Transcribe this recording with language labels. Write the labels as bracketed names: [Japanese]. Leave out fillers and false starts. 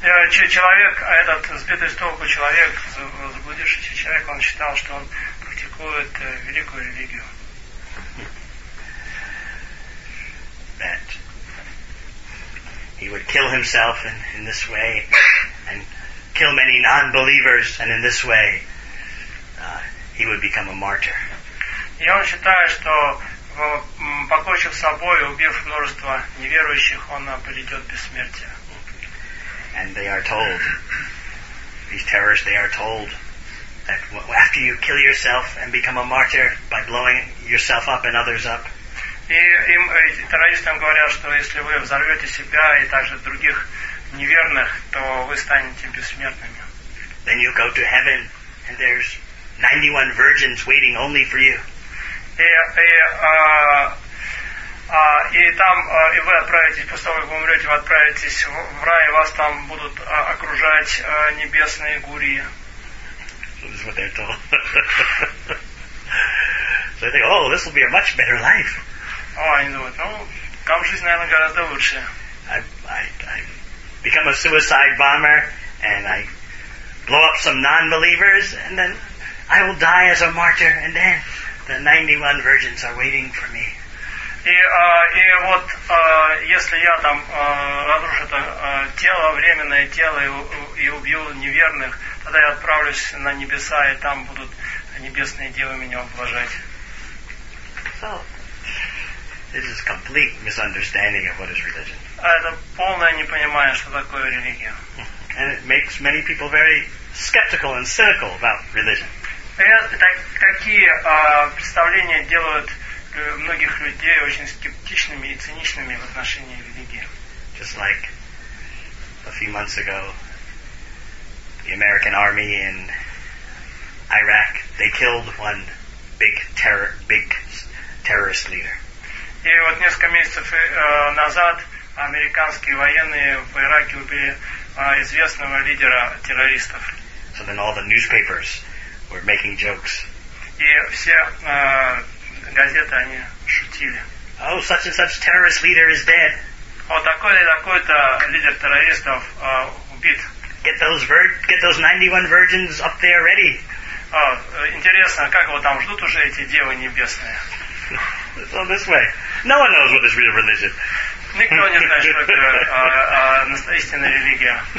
[Russian] Человек, этот сбитый с толку человек, заблудившийся человек, он считал, что он практикует великую религию. [English] That he would kill himself in this way and kill many non-believers, and in this way he would become a martyr. [Russian] И он считает, что покончив с собой, убив множество неверующих, он придет к бессмертию. [English] And they are told, these terrorists, they are told, that after you kill yourself and become a martyr by blowing yourself up and others up. [Russian] И им террористам говорят, что если вы взорвете себя и также других неверных, то вы станете бессмертными. [English] Then you go to heaven, and there's 91 virgins waiting only for you. [Russian] И вы отправитесь, после того, как вы умрете, вы отправитесь в рай, и вас там будут окружать небесные гурии. [English] That's what they're told. So they think, oh, this will be a much better life. [Russian] Oh, они думают, ну, там жизнь, наверное, гораздо лучше. [English] I become a suicide bomber, and I blow up some non-believers, and then I will die as a martyr, and then the 91 virgins are waiting for me. [Russian] И вот если я там разрушу это тело, временное тело, и убью неверных, тогда я отправлюсь на небеса, и там будут небесные девы меня облажать. [English] So, [Russian] это полное непонимание, что такое религия. [English] And it makes many people very skeptical and cynical about religion. [Russian] Такие представления делают многих людей очень скептичными и циничными в отношении религии. [English] Just like a few months ago, the American army in Iraq, they killed one big terrorist leader. [Russian] И вот несколько месяцев назад американские военные в Ираке убили известного лидера террористов. [English] So then all the newspapers were making jokes. [Russian] И все газеты, они шутили. [English] Oh, such and such terrorist leader is dead. [Russian] О, такой-то лидер террористов убит. [English] Get those 91 virgins up there ready. [Russian] Интересно, как его там ждут уже эти девы небесные? [English] So this way. No one knows what is real religion. [Russian] Никто не знает, что это истинная религия.